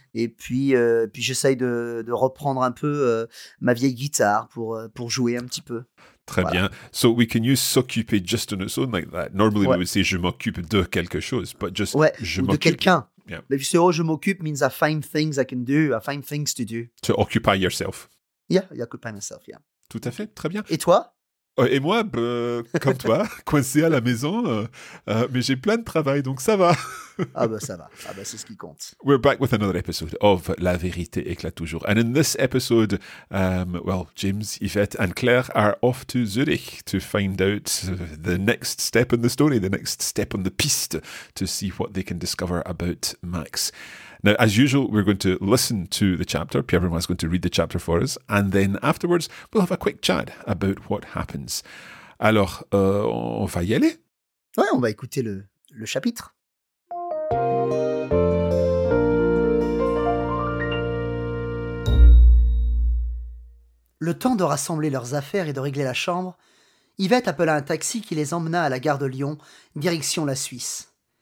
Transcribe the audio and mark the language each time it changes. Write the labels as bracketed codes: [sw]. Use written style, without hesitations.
[fr] Et puis j'essaye de reprendre un peu ma vieille guitare pour jouer un petit peu. Très voilà. Bien. [en] So we can use s'occuper just on its own like that. Normally, ouais. We would say [fr] je m'occupe de quelque chose, [en] but just [fr] ouais, je ou m'occupe. De quelqu'un. [en] Yeah. But if you say, oh, [fr] je m'occupe [en] means I find things I can do, I find things to do. To occupy yourself. Yeah, occupy myself, yeah. [fr] Tout à fait, très bien. Et toi? Et moi, comme toi, coincé à la maison, mais j'ai plein de travail, donc ça va. Ah ben, c'est ce qui compte. [en] We're back with another episode of La Vérité éclate toujours. And in this episode, James, Yvette and Claire are off to Zurich to find out the next step in the story, the next step on the piste, to see what they can discover about Max. Now, as usual, we're going to listen to the chapter. Pierre Benoît is going to read the chapter for us. And then afterwards, we'll have a quick chat about what happens. [fr] Alors, on va y aller? Ouais, on va écouter le chapitre. Le temps de rassembler leurs affaires et de régler la chambre, Yvette appela un taxi qui les emmena à la gare de Lyon, direction la Suisse.